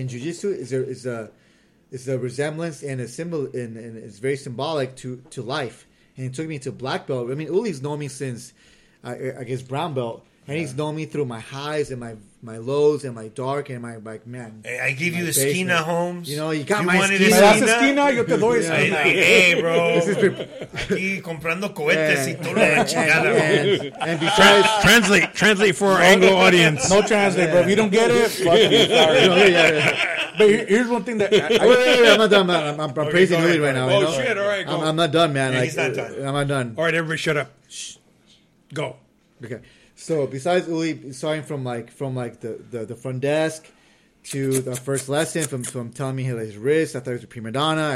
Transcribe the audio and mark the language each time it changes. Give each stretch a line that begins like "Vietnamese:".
English: And jiu-jitsu is a resemblance and a symbol, and it's very symbolic to life. And it took me to black belt. I mean, Uli's known me since, I guess, brown belt. And he's known me through my highs and my lows and my dark and my, like, man. I give you a esquina, Holmes. You know, you got you my esquina. You wanted esquina?
Spanish: Yo te doy esquina.
English: Hey, bro.
Spanish: Aquí comprando cohetes y todo la chingada.
English: And besides... Translate for our Anglo audience. No translate, bro. If you don't get it, fuck you. Sorry. But here's one thing that... I'm not done, man. I'm okay, praising Uli right now. Oh, you know? Shit. All right, go. I'm not done, man. Yeah, like, he's not done. I'm not done. All right, everybody shut up. Go. Okay. So besides Uli, starting from the front desk to the first lesson, from telling me he had his wrist, I thought he was a prima donna.